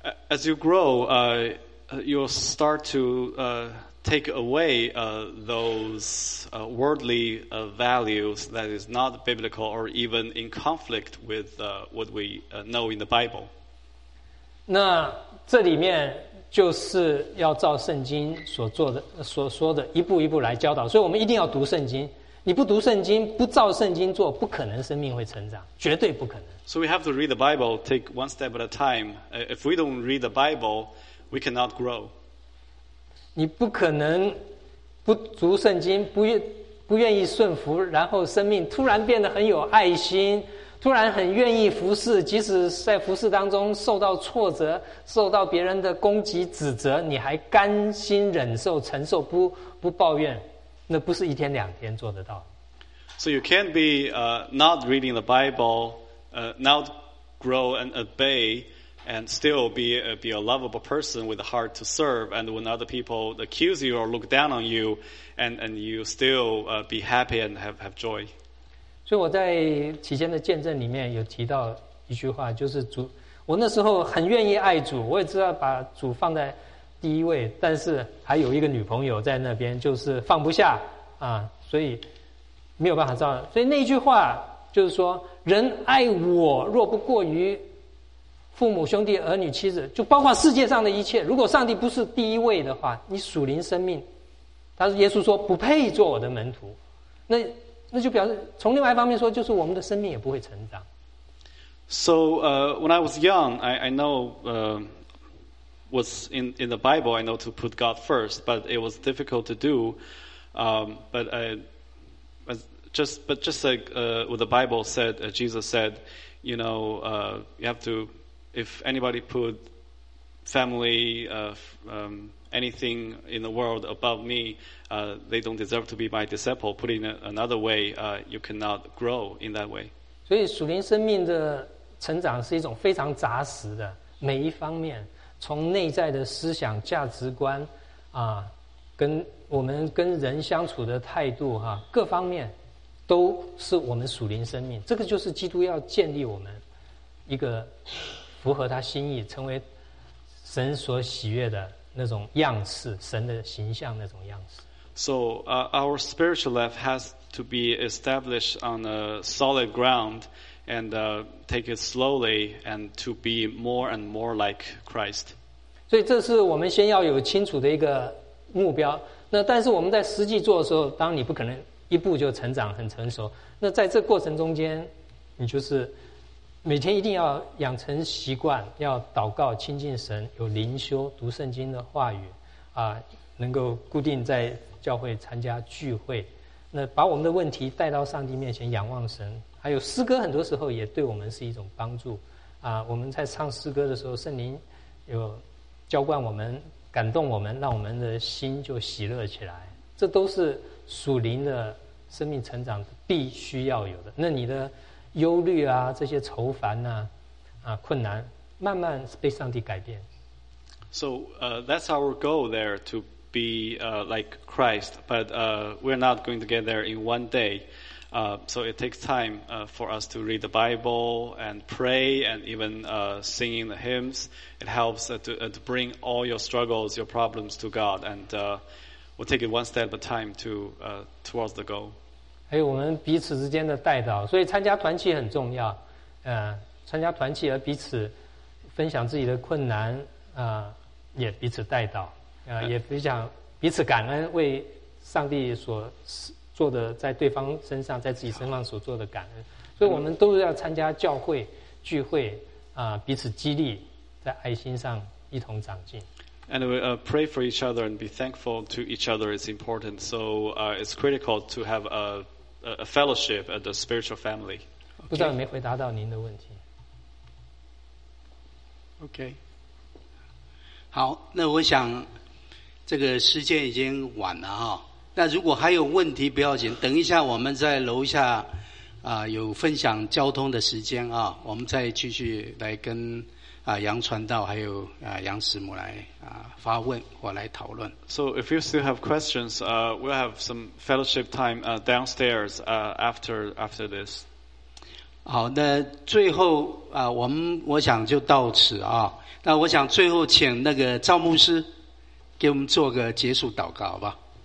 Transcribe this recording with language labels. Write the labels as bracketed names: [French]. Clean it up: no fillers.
[English] As you grow, you'll start to take away those worldly values that is not biblical or even in conflict with what we know in the Bible. [Chinese] 那这里面。就是要照圣经所做的所说的一步一步来教导，所以我们一定要读圣经。你不读圣经，不照圣经做，不可能生命会成长，绝对不可能。 [English] So we have to read the Bible, take one step at a time. If we don't read the Bible, we cannot grow. [Chinese] 你不可能不读圣经，不愿意顺服，然后生命突然变得很有爱心。突然很愿意服侍，即使在服侍当中受到挫折，受到别人的攻击指责，你还甘心忍受承受，不抱怨，那不是一天两天做得到。 [English] So you can't be not reading the Bible, not grow and obey, and still be a lovable person with a heart to serve. And when other people accuse you or look down on you, and you still be happy and have joy. [Chinese] 所以我在期间的见证里面有提到一句话，就是主，我那时候很愿意爱主，我也知道把主放在第一位，但是还有一个女朋友在那边，就是放不下啊，所以没有办法照。所以那句话就是说，人爱我若不过于父母、兄弟、儿女、妻子，就包括世界上的一切，如果上帝不是第一位的话，你属灵生命，他说耶稣说不配做我的门徒，那就表示从另外一方面说，就是我们的生命也不会成长。 [English] So when I was young, I know was in the Bible, I know to put God first, but it was difficult to do. What the Bible said, Jesus said, you know, you have to, if anybody put family, anything in the world above me, they don't deserve to be my disciple. Put in another way, you cannot grow in that way. [Chinese] 所以属灵生命的成长是一种非常扎实的，每一方面，从内在的思想、价值观，啊，跟我们跟人相处的态度，哈，各方面，都是我们属灵生命。这个就是基督要建立我们一个符合他心意、成为神所喜悦的那种样式、神的形象那种样式。 [English] So, our spiritual life has to be established on a solid ground and take it slowly and to be more and more like Christ. [Chinese] 所以这是我们先要有清楚的一个目标。那但是我们在实际做的时候，当你不可能一步就成长很成熟，那在这过程中间，你就是每天一定要养成习惯，要祷告亲近神，有灵修，读圣经的话语，啊，能够固定在教会参加聚会，那把我们的问题带到上帝面前仰望神，还有诗歌很多时候也对我们是一种帮助，啊，我们在唱诗歌的时候，圣灵有浇灌我们，感动我们，让我们的心就喜乐起来，这都是属灵的生命成长必须要有的。那你的忧虑啊，这些愁烦啊，啊，困难，慢慢被上帝改变。 [English] So, that's our goal there to be like Christ, but we're not going to get there in one day. So it takes time for us to read the Bible and pray and even singing the hymns. It helps to bring all your struggles, your problems to God, and we'll take it one step at a time to towards the goal. [Chinese] 还有我们彼此之间的带导，所以参加团契很重要。参加团契而彼此分享自己的困难，也彼此带导，也分享彼此感恩，为上帝所做的在对方身上、在自己身上所做的感恩。所以我们都要参加教会聚会，彼此激励，在爱心上一同长进。 [English] And we pray for each other and be thankful to each other is important. So it's critical to have a fellowship and a spiritual family. Okay. [Chinese] 不知道有没有回答到您的问题。 [English] Okay. [Chinese] 好，那我想这个时间已经晚了哈。那如果还有问题不要紧，等一下我们在楼下有分享交通的时间啊，我们再继续来跟杨传道还有杨师母来发问或来讨论。 [English] So if you still have questions, we'll have some fellowship time downstairs after this. [Chinese] 好，那最后我想就到此啊。那我想最后请那个赵牧师给我们做个结束祷告，好吧？